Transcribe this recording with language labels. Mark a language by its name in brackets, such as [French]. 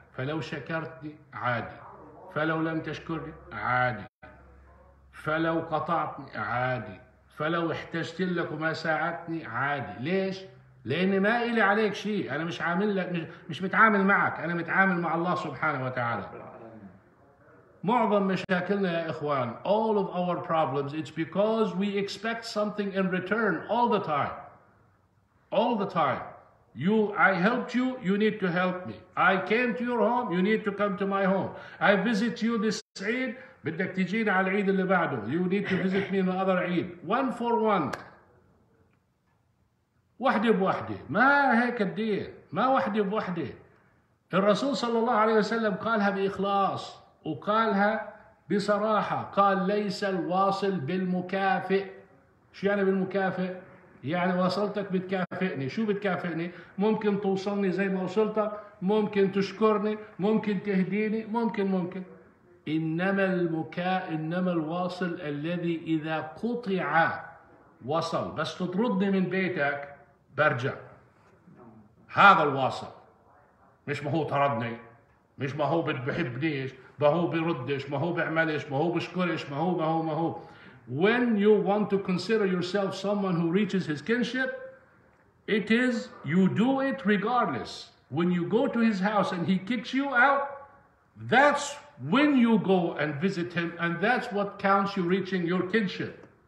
[Arabic] فلو شكرتني عادي، فلو لم تشكرني عادي، فلو قطعتني عادي، فلو احتجت لك وما ساعدتني عادي. ليش؟ لأن ما إلي عليك شيء، أنا مش عامل لك، مش متعامل معك، أنا متعامل مع الله سبحانه وتعالى. معظم مشاكلنا يا إخوان، [English] all of our problems, it's because we expect something in return all the time. All the time. You, I helped you, you need to help me. I came to your home, you need to come to my home. I visit you this Eid, [Arabic] بدك تجينا على العيد اللي بعده. [English] You need to visit me in the other Eid. One for one. [Arabic] واحدة بواحدة، ما هيك الدين، ما واحدة بواحدة. الرسول صلى الله عليه وسلم قالها بإخلاص وقالها بصراحة، قال ليس الواصل بالمكافئ. شو يعني بالمكافئ؟ يعني وصلتك بتكافئني. شو بتكافئني؟ ممكن توصلني زي ما وصلتك، ممكن تشكرني، ممكن تهديني، ممكن ممكن. إنما إنما الواصل الذي إذا قطع وصل، بس تطردني من بيتك برجع. هذا الواصل، مش ما هو طردني، مش ما هو بحبنيش، ما هو بردش، ما هو بعملش، ما هو بشكرش، ما هو ما هو ما هو. [English] When you want to consider yourself someone who reaches his kinship, it is you do it regardless. When you go to his house and he kicks you out, that's when you go and visit him, and that's what counts you reaching your kinship.